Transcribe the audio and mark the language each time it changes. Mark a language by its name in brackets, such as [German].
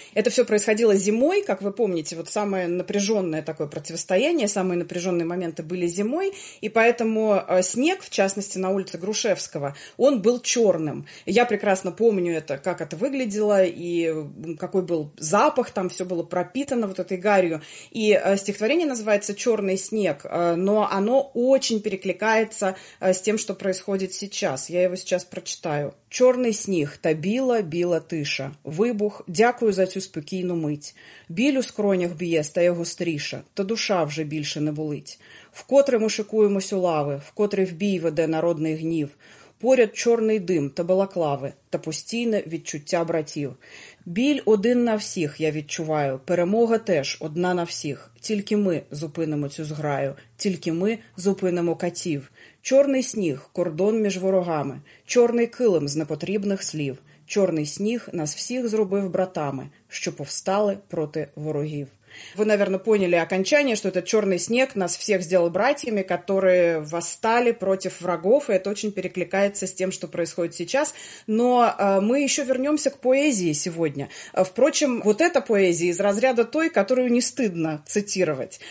[Russian] Это все происходило зимой, как вы помните, вот самое напряженное такое противостояние, самые напряженные моменты были зимой, и поэтому снег, в частности, на улице Грушевского, он был черным. Я прекрасно помню это, как это выглядело, и какой был запах, там все было пропитано вот этой гарью. И стихотворение называется «Черный снег», но оно очень перекликается с тем, что происходит сейчас. Я его сейчас прочитаю. [Ukrainian] «Чорний сніг, та біла, біла тиша. Вибух, дякую за цю спокійну мить. Біль у скронях б'є, стає гостріша, та душа вже більше не болить. Вкотре ми шикуємось у лави, вкотре в бій веде народний гнів. Поряд чорний дим та балаклави, та постійне відчуття братів. Біль один на всіх, я відчуваю, перемога теж одна на всіх. Тільки ми зупинимо цю зграю, тільки ми зупинимо катів. Чорний сніг – кордон між ворогами, чорний килим з непотрібних слів. Чорний сніг нас всіх зробив братами, що повстали проти ворогів». [Russian] Вы, наверное, поняли окончание, что этот черный снег нас всех сделал братьями, которые восстали против врагов, и это очень перекликается с тем, что происходит сейчас. Но мы еще вернемся к поэзии сегодня. Впрочем, вот эта поэзия из разряда той, которую не стыдно цитировать.